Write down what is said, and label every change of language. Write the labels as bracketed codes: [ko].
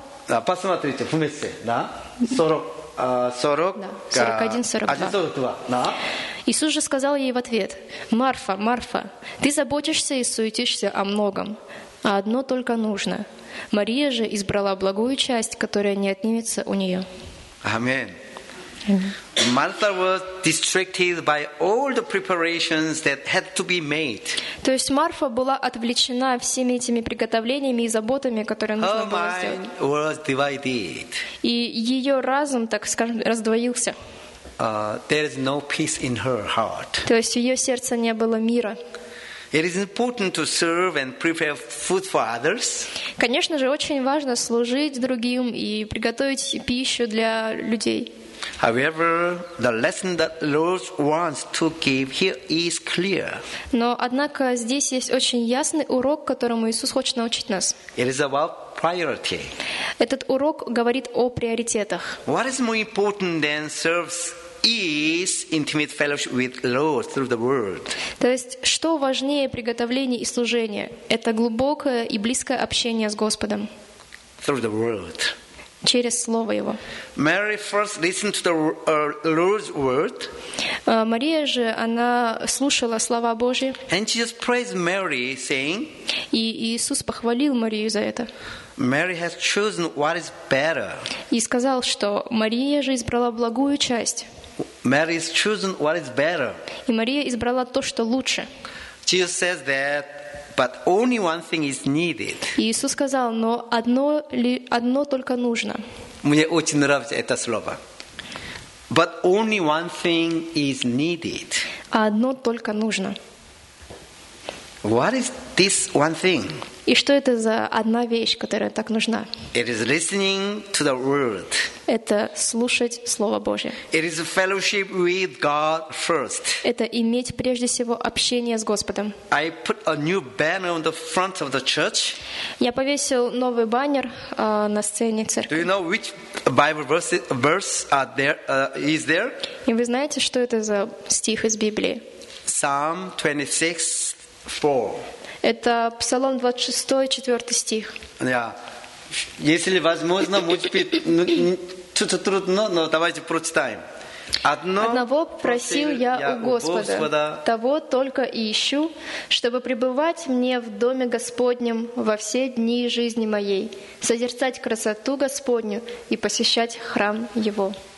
[ru] Да, посмотрите вместе. Да. 41-42. Иисус же сказал ей в ответ: «Марфа, Марфа, ты заботишься и суетишься о многом, а одно только нужно. Мария же избрала благую часть, которая не отнимется у нее». Аминь. [en] Martha was distracted by all the preparations that had to be made. [ru] То есть Марфа была отвлечена всеми этими приготовлениями и заботами, которые нужно было сделать. [en] Her mind was divided. [ru] И ее разум, так скажем, раздвоился. [en] There is no peace in her heart. [ru] То есть в ее сердце не было мира. [en] It is important to serve and prepare food for others. [ru] Конечно же, очень важно служить другим и приготовить пищу для людей. [en] However, the lesson that Lord wants to give here is clear. [ru] Но однако здесь есть очень ясный урок, которому Иисус хочет научить нас. [en] It is about priority. [ru] Этот урок говорит о приоритетах. [en] What is more important than serves is intimate fellowship with Lord through the Word. [ru] То есть, что важнее приготовления и служения? Это глубокое и близкое общение с Господом. [en] Through the Word. [ru] Через Слово Его. [en] Mary first listened to the Lord's Word. [ru] Мария же, она слушала слова Божьи. [en] And she just praised Mary, saying. [ru] И Иисус похвалил Марию за это. [en] Mary has chosen what is better. [ru] И сказал, что Мария же избрала благую часть. [en] Mary has chosen what is better. [ru] И Мария избрала то, что лучше. [en] Jesus says that, but only one thing is needed. [ru] Иисус сказал, но одно только нужно. Мне очень нравится это слово. [en] But only one thing is needed. [ru] Одно только нужно. [en] What is this one thing? [ru] И что это за одна вещь, которая так нужна? [en] It is listening to the word. [ru] Это слушать Слово Божье. [en] It is fellowship with God first. [ru] Это иметь прежде всего общение с Господом. [en] I put a new banner on the front of the church. [ru] Я повесил новый баннер на сцене церкви. [en] Do you know which Bible verse are there, is there? [ru] И вы знаете, что это за стих из Библии? [en] Psalm 26:4. [ru] Это Псалом 26, 4 стих. [en] Yeah. [ru] Если возможно, чуть-чуть трудно, но давайте прочитаем. Одного просил я у Господа, того только и ищу, чтобы пребывать мне в доме Господнем во все дни жизни моей, созерцать красоту Господню и посещать храм Его.